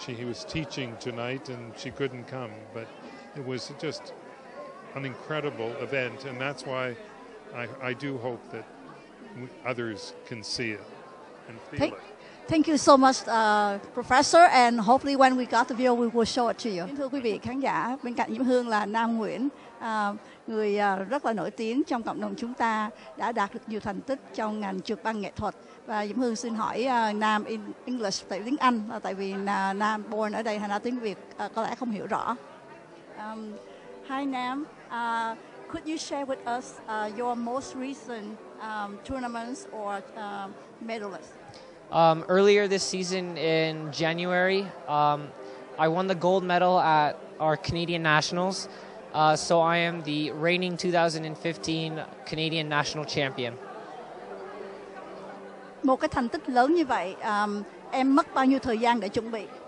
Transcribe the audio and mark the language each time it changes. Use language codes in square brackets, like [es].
[en] He was teaching tonight and she couldn't come, but it was just an incredible event, and that's why I do hope that others can see it and feel it. Thank you so much, Professor, and hopefully when we got the video, we will show it to you. [vi] Thưa quý vị khán giả, bên cạnh Diễm Hương là Nam Nguyễn, người rất là nổi tiếng trong cộng đồng chúng ta, đã đạt được nhiều thành tích trong ngành trực ban nghệ thuật. Và Diễm Hương xin hỏi Nam [en] in English, [vi] tại tiếng Anh, tại vì Nam [en] born [vi] ở đây, thành ra tiếng Việt có lẽ không hiểu rõ. [en] Hi Nam, could you share with us your most recent tournaments or medalists? Earlier this season in January, I won the gold medal at our Canadian Nationals. So I am the reigning 2015 Canadian National Champion. [vi] Một cái thành tích lớn như vậy, em mất bao nhiêu thời gian để chuẩn bị?